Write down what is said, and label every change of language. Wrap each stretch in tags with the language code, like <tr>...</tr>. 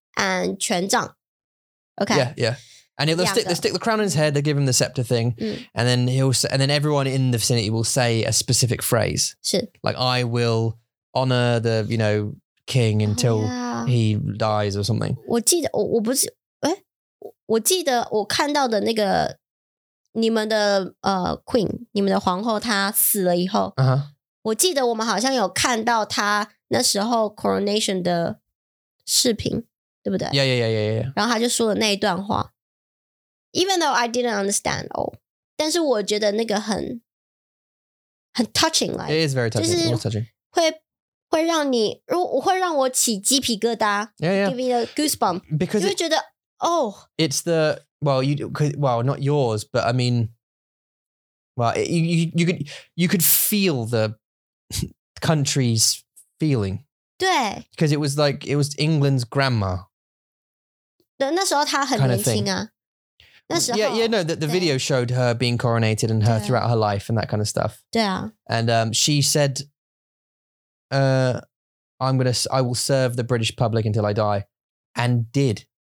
<en>And</en> <zh>权杖.</zh> <en>Okay. Yeah. And they'll stick the crown in his head, they give him the scepter thing, and then everyone in the vicinity will say a specific phrase.</en> <zh>是.</zh> <en>Like, I will honor the, you know, king until he dies or something.</en> <zh>我记得,我不是,诶? 我记得我看到的那个你们的Queen, 你们的皇后她死了以后、 uh-huh. 我记得我们好像有看到她那时候 Coronation 的视频对不对</zh> <en>Yeah.</en> <zh>然后她就说了那一段话</zh> <en>Even though I didn't understand all,</en> <zh>但是我觉得那个很</zh> <en>touching like, It is very touching,</en> <zh>就是</zh> <en>more touching.</en> <zh>会让你会让我起鸡皮疙瘩</zh> <en>Give me a goosebump. Because</en> <zh>就会觉得 Oh,</zh> <en>it's the... Well, not yours, but I mean, well, you could feel the country's feeling.</en> <zh>对.</zh> <en>Because it was like, it was England's grandma.</en> <zh>那时候她很年轻啊，那时候</zh> <en>the video showed her being coronated and her throughout her life and that kind of stuff.</en> <zh>对啊，</zh> <en>and she said, "I will serve the British public until I die," and did.</en>